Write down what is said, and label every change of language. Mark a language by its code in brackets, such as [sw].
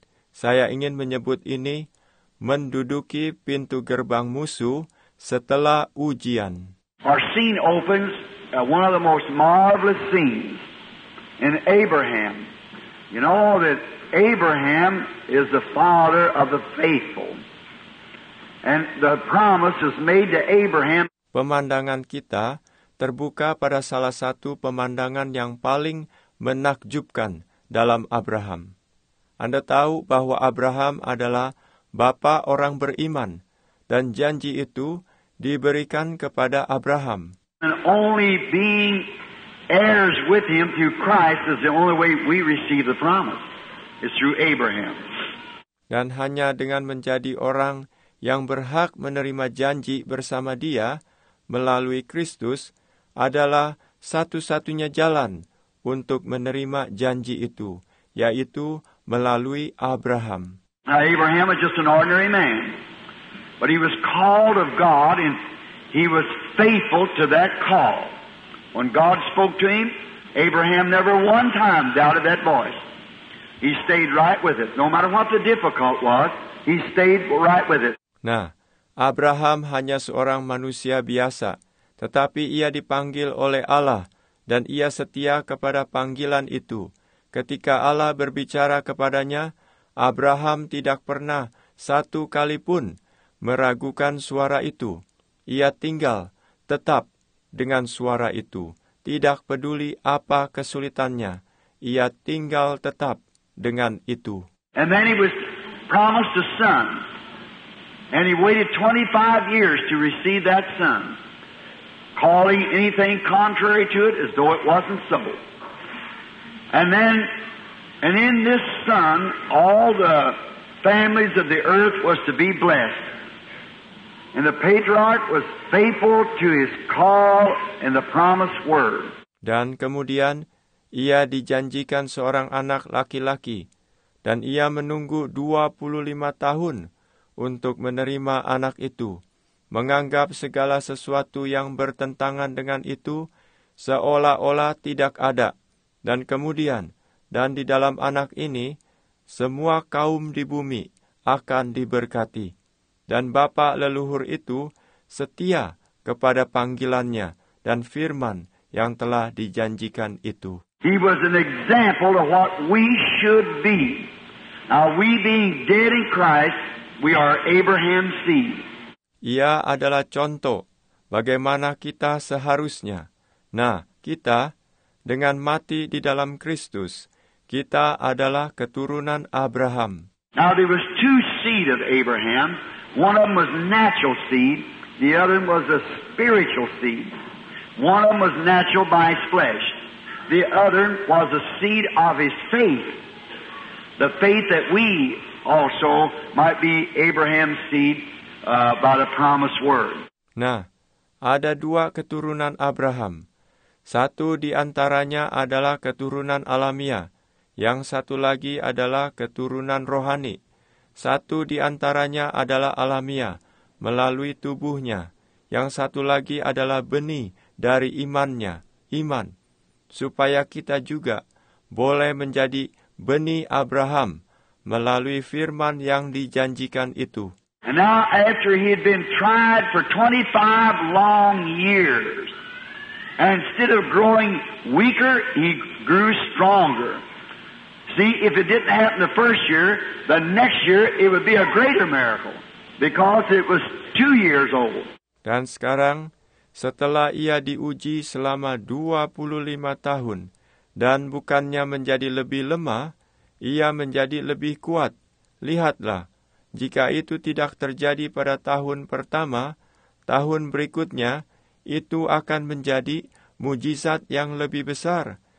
[id] Saya ingin menyebut ini, menduduki pintu gerbang musuh setelah ujian. [en] Our scene opens, one of the most marvelous scenes and Abraham. You know that Abraham is the father of the faithful. And the promise is made to Abraham. [id] Pemandangan kita terbuka pada salah satu pemandangan yang paling menakjubkan dalam Abraham. Anda tahu bahwa Abraham adalah bapa orang beriman, dan janji itu diberikan kepada Abraham. [en] And only being heirs with him through Christ is the only way we receive the promise. It's through Abraham. [id] Dan hanya dengan menjadi orang yang berhak menerima janji bersama dia melalui Kristus adalah satu-satunya jalan untuk menerima janji itu, yaitu melalui Abraham. [en] Now Abraham was just an ordinary man, but he was called of God and he was faithful to that call. When God spoke to him, Abraham never one time doubted that voice. He stayed right with it. No matter what the difficult was, he stayed right with it. [id] Nah, Abraham hanya seorang manusia biasa, tetapi ia dipanggil oleh Allah, dan ia setia kepada panggilan itu. Ketika Allah berbicara kepadanya, Abraham tidak pernah satu kali pun meragukan suara itu. Ia tinggal tetap dengan suara itu, tidak peduli apa kesulitannya. Ia tinggal tetap dengan itu. [en] And then he was promised a son. And he waited 25 years to receive that son, calling anything contrary to it as though it wasn't so. And in this son, all the families of the earth was to be blessed. And the patriarch was faithful to his call and the promised word. [id] Dan kemudian, ia dijanjikan seorang anak laki-laki, dan ia menunggu 25 tahun untuk menerima anak itu, menganggap segala sesuatu yang bertentangan dengan itu seolah-olah tidak ada. Dan kemudian, dan di dalam anak ini, semua kaum di bumi akan diberkati. Dan bapa leluhur itu setia kepada panggilannya dan firman yang telah dijanjikan itu. [en] He was an example of what we should be. Now we being dead in Christ, we are Abraham's seed. [id] Ia adalah contoh bagaimana kita seharusnya. Nah, kita dengan mati di dalam Kristus, kita adalah keturunan Abraham. [en] Now there was two seed of Abraham. One of them was natural seed, the other was a spiritual seed. One of them was natural by his flesh. The other was a seed of his faith. The faith that we also might be Abraham's seed by the promised word. [id] Nah, ada dua keturunan Abraham. Satu di antaranya adalah keturunan alamiah, yang satu lagi adalah keturunan rohani. Satu di antaranya adalah alamiah melalui tubuhnya, yang satu lagi adalah benih dari imannya, iman, supaya kita juga boleh menjadi benih Abraham melalui firman yang dijanjikan itu. [en] And now after he had been tried for 25 long years, and instead of growing weaker, he grew stronger. See, if it didn't happen the first year, the next year it would be a greater miracle because it was 2 years old. [id] Dan sekarang, setelah ia diuji selama 25 tahun, dan bukannya menjadi lebih lemah, ia menjadi lebih kuat. Lihatlah, jika itu tidak terjadi pada tahun pertama, tahun berikutnya, itu akan menjadi mujizat yang lebih besar.